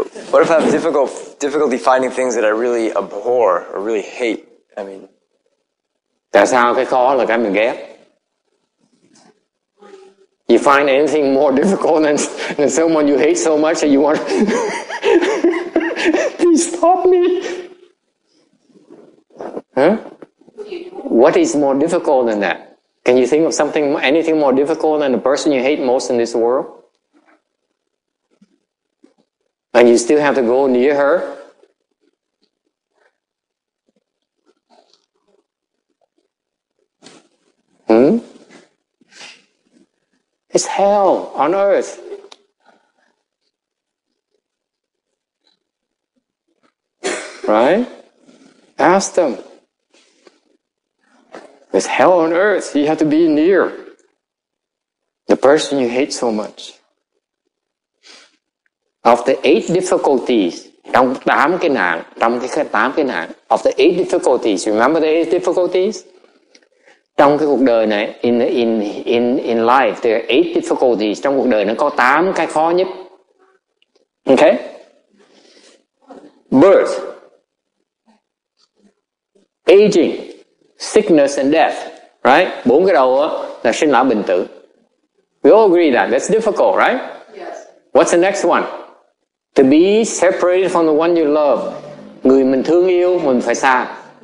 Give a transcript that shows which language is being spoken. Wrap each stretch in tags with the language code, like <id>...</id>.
<en>What if I have difficulty finding things that I really abhor or really hate? I mean,</en> <vi>tại sao cái khó là cái mình ghét?</vi> <en>You find anything more difficult than someone you hate so much that you want? Please stop me. Huh? What is more difficult than that? Can you think of something, anything more difficult than the person you hate most in this world? And you still have to go near her? Hmm? It's hell on earth. Right? Ask them. It's hell on earth. You have to be near the person you hate so much. Of the eight difficulties, of the eight difficulties, remember the eight difficulties?</en> <vi>Trong cái cuộc đời này,</vi> <en>in life, there are eight difficulties.</en> <vi>Trong cuộc đời nó có 8 cái khó nhất.</vi> <en>Okay? Birth. Aging. Sickness and death. Right?</en> <vi>4 cái đầu là sinh lão bệnh tử.</vi> <en>We all agree that. That's difficult, right? Yes. What's the next one? To be separated from the one you love.</en> <vi>Người mình thương yêu, mình phải xa.</vi>